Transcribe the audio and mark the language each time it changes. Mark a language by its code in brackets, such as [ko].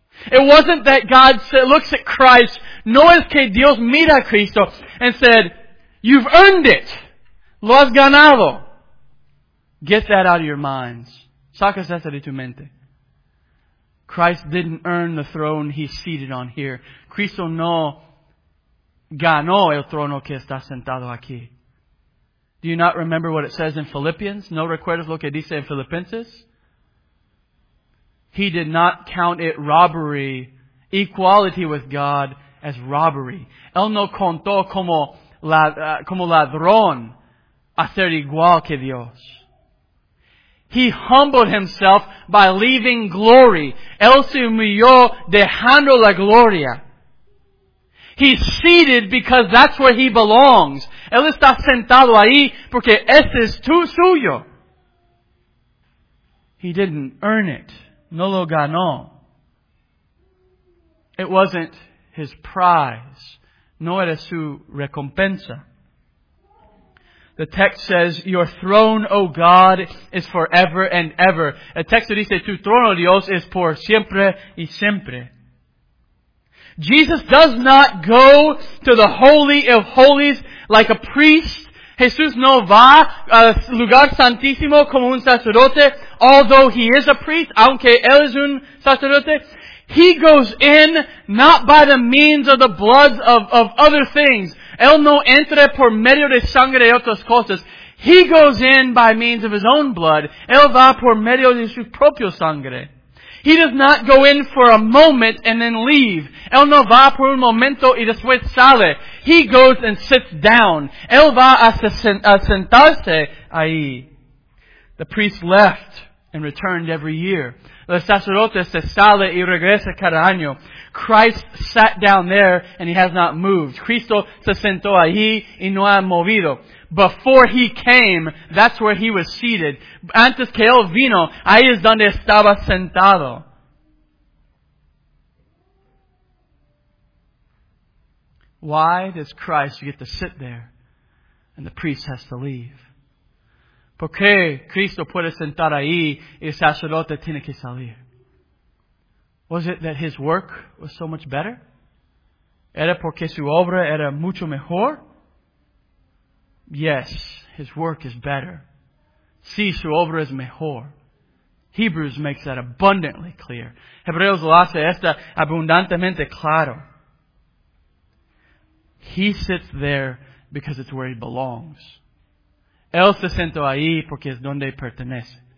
[en] It wasn't that God looks at Christ, [es] no es que Dios mira a Cristo [en] and said, "You've earned it. [es] Lo has ganado." [en] Get that out of your minds. [es] Sacas esa de tu mente. [en] Christ didn't earn the throne He's seated on here. [es] Cristo no ganó el trono que está sentado aquí. [en] Do you not remember what it says in Philippians? [es] ¿No recuerdas lo que dice en Filipenses? [en] He did not count it robbery, equality with God, as robbery. [es] Él no contó como ladrón hacer igual que Dios. [en] He humbled Himself by leaving glory. [es] Él se humilló dejando la gloria. [en] He's seated because that's where He belongs. [es] Él está sentado ahí porque ese es tu suyo. [en] He didn't earn it. [es] No lo ganó. [en] It wasn't His prize. [es] No era su recompensa. [en] The text says, "Your throne, O God, is forever and ever." [es] El texto dice, "Tu trono, Dios, es por siempre y siempre." [en] Jesus does not go to the Holy of Holies like a priest. [es] Jesús no va al lugar santísimo como un sacerdote, [en] although He is a priest, [es] aunque Él es un sacerdote. [en] He goes in not by the means of the blood of other things. [es] Él no entra por medio de sangre de otras cosas. [en] He goes in by means of His own blood. [es] Él va por medio de su propio sangre. [en] He does not go in for a moment and then leave. [es] Él no va por un momento y después sale. [en] He goes and sits down. [es] Él va a sentarse ahí. [en] The priest left and returned every year. [es] The sacerdote se sale y regresa cada año. [en] Christ sat down there and He has not moved. [es] Cristo se sentó allí y no ha movido. [en] Before He came, that's where He was seated. [es] Antes que Él vino, ahí es donde estaba sentado. [en] Why does Christ get to sit there and the priest has to leave? [es] ¿Por qué Cristo puede sentar ahí y el sacerdote tiene que salir? [en] Was it that His work was so much better? [es] ¿Era porque su obra era mucho mejor? [en] Yes, His work is better. [es] Sí, su obra es mejor. [en] Hebrews makes that abundantly clear. [es] Hebreos lo hace esta abundantemente claro. [en] He sits there because it's where He belongs. [es] Él se sentó ahí porque es donde pertenece.